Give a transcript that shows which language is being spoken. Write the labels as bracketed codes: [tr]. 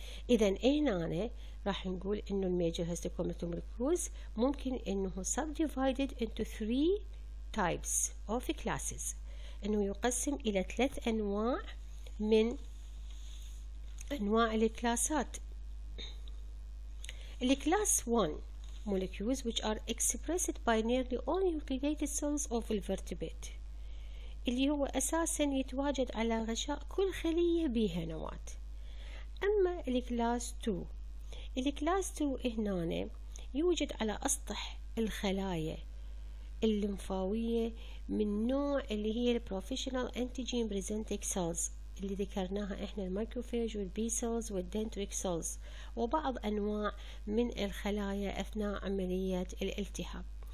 [ar] اذا هنا راح نقول انه الميجر هيستوكومبليتلي ممكن انه [en] subdivided into 3 types of classes, [ar] انه يقسم الى ثلاث انواع من أنواع الكلاسات. [en] الكلاس 1 molecules which are expressed by nearly all nucleated cells of the vertebrate. [ar] اللي هو أساسا يتواجد على غشاء كل خلية بها نواة. أما الكلاس 2، الكلاس 2 هنا يوجد على أسطح الخلايا الليمفاوية من نوع اللي هي البروفيشنال انتيجين بريزنتيك سيلز اللي ذكرناها احنا، المايكروفاج والبي سيلز والدنتريك سيلز وبعض انواع من الخلايا اثناء عمليات الالتهاب.